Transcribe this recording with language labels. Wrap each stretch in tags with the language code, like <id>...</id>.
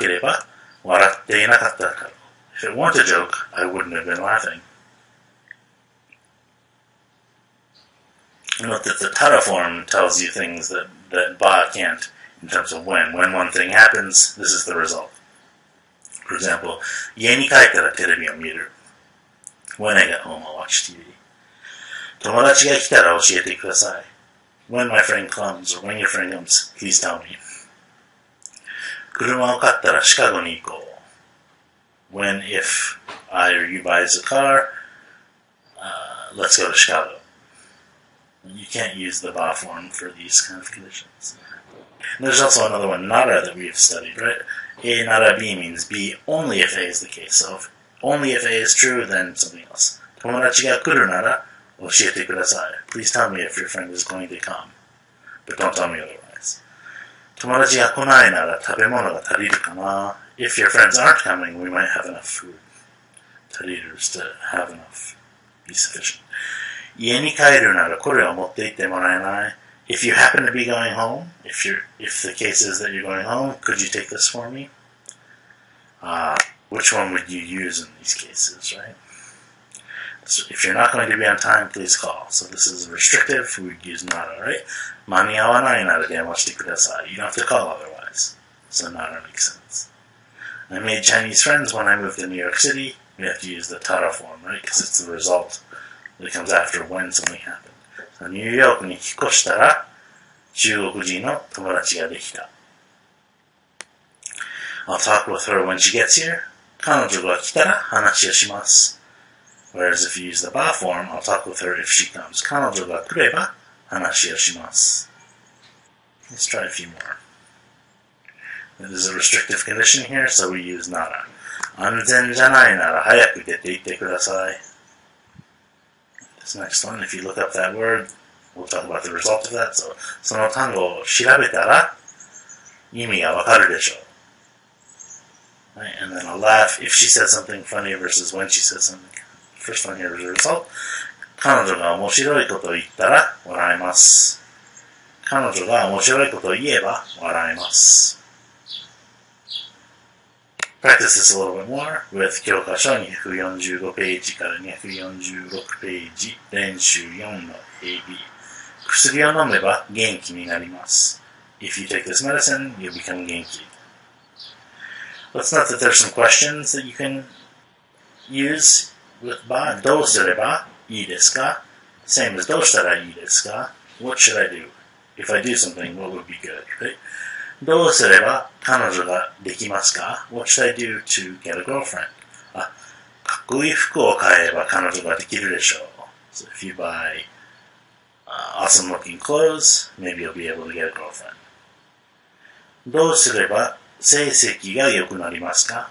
<ja>冗談じゃなかったら、冗談じゃなければ、笑っていなかったから.</ja> <en>If it weren't a joke, I wouldn't have been laughing. Note that the tara form tells you things that ba can't in terms of when. When one thing happens, this is the result. For example,</en> <ja>家に帰ったらテレビを見る.</ja> <en>When I get home, I'll watch TV.</en> <ja>友達が来たら教えてください.</ja> <en>When my friend comes, or when your friend comes, please tell me.</en> <ja>車を買ったらシカゴに行こう.</ja> <en>When, if I or you buys a car, let's go to Chicago. You can't use the ba form for these kind of conditions. And there's also another one, nara, that we've studied, right? A nara b means b only if a is the case. So if only if a is true, then something else.</en> <ja>友達が来るなら教えてください.</ja> <en>Please tell me if your friend is going to come. But don't tell me otherwise.</en> <ja>友達が来ないなら食べ物が足りるかな.</ja> <en>If your friends aren't coming, we might have enough food. Tariers to have enough, be sufficient.</en> <ja>家に帰るならこれを持って行ってもらえない?</ja> <en>If you happen to be going home, if the case is that you're going home, could you take this for me? Which one would you use in these cases, right? So if you're not going to be on time, please call. So this is restrictive, we'd use nara, right?</en> <ja>間に合わないなら電話してください.</ja> <en>You don't have to call otherwise. So nara makes sense. I made Chinese friends when I moved to New York City. We have to use the tara form, right? Because it's the result that comes after when something happened.</en> <ja>So, New York に引っ越したら中国人の友達ができた.</ja> <en>I'll talk with her when she gets here.</en> <ja>彼女が来たら話をします.</ja> <en>Whereas if you use the ba form, I'll talk with her if she comes.</en> <ja>彼女が来れば話をします.</ja> <en>Let's try a few more. It is a restrictive condition here, so we use nara.</en> <ja>安全じゃないなら早く出て行ってください.</ja> <en>This next one, if you look up that word, we'll talk about the result of that. So,</en> <ja>その単語を調べたら意味がわかるでしょう.</ja> <en>Right, and then a laugh if she says something funny versus when she says something. First one here is the result.</en> <ja>彼女が面白いことを言ったら笑います. 彼女が面白いことを言えば笑います.</ja> <en>Practice this a little bit more with</en> <ja>教科書245ページから246ページ練習4の AB 薬を飲めば元気になります</ja> <en>If you take this medicine, you'll become 元気 Let's note that there's some questions that you can use with ba</en> <ja>どうすればいいですか</ja> <en>Same as</en> <ja>どうしたらいいですか</ja> <en>What should I do? If I do something, what would be good, right?</en> <ja>どうすれば彼女ができますか?</ja> <en>What should I do to get a girlfriend?</en> <ja>あ、かっこいい服を買えば彼女ができるでしょう。</ja> <en>So if you buy awesome looking clothes, maybe you'll be able to get a girlfriend.</en> <ja>どうすれば成績が良くなりますか?</ja>